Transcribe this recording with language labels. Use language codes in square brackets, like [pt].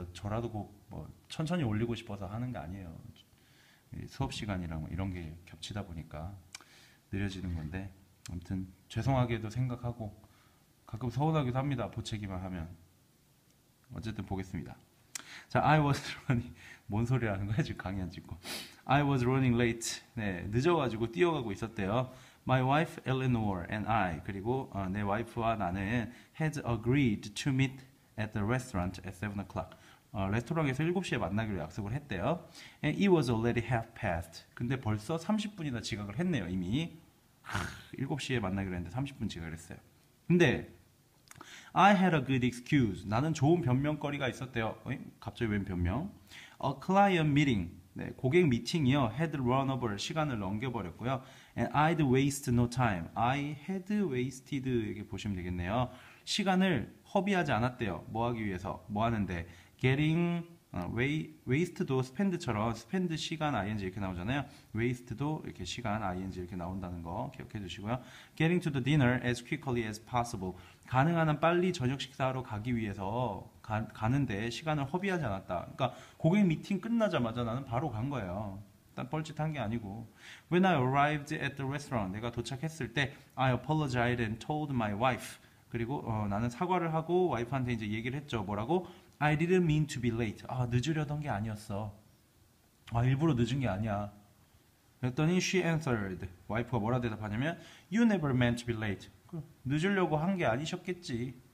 [ko] 저라도 꼭뭐 천천히 올리고 싶어서 하는 게 아니에요. 수업 시간이랑 뭐 이런 게 겹치다 보니까 느려지는 건데 아무튼 죄송하게도 생각하고 가끔 서운하기도 합니다. 보채기만 하면 어쨌든 보겠습니다. 자, [en] I was running. [ko] 뭔 소리 하는 거야? 지금 강의 안 짓고. [en] I was running late. [ko] 네, 늦어가지고 뛰어가고 있었대요. [en] My wife Eleanor and I, [ko] 그리고 내 와이프와 나는 [en] had agreed to meet at the restaurant at 7 o'clock. [ko] 레스토랑에서 7시에 만나기로 약속을 했대요. [en] And it was already half past. [ko] 근데 벌써 30분이나 지각을 했네요, 이미. 7시에 만나기로 했는데 30분 지각을 했어요. [en] 근데 I had a good excuse. [ko] 나는 좋은 변명거리가 있었대요. 어이? 갑자기 웬 변명? [en] A client meeting. [ko] 네, 고객 미팅이요. [en] Had run over. [ko] 시간을 넘겨버렸고요. [en] And I'd waste no time. I had wasted. [ko] 이렇게 보시면 되겠네요. 시간을 허비하지 않았대요. 뭐 하기 위해서? 뭐 하는데? Getting, waste도 spend처럼 spend 시간 ing 이렇게 나오잖아요. waste도 이렇게 시간 ing 이렇게 나온다는 거 기억해 주시고요. [en] Getting to the dinner as quickly as possible. [ko] 가능한 한 빨리 저녁 식사하러 가기 위해서 가는데 시간을 허비하지 않았다. 그러니까 고객 미팅 끝나자마자 나는 바로 간 거예요. 딴 뻘짓한 게 아니고. [en] When I arrived at the restaurant, [ko] 내가 도착했을 때, [en] I apologized and told my wife. [ko] 그리고 나는 사과를 하고 와이프한테 이제 얘기를 했죠. 뭐라고? [en] I didn't mean to be late. [ko] 아, 늦으려던 게 아니었어. 아, 일부러 늦은 게 아니야. 그랬더니 [en] she answered. [ko] 와이프가 뭐라 대답하냐면, [en] You never meant to be late. [ko] 늦으려고 한게 아니셨겠지.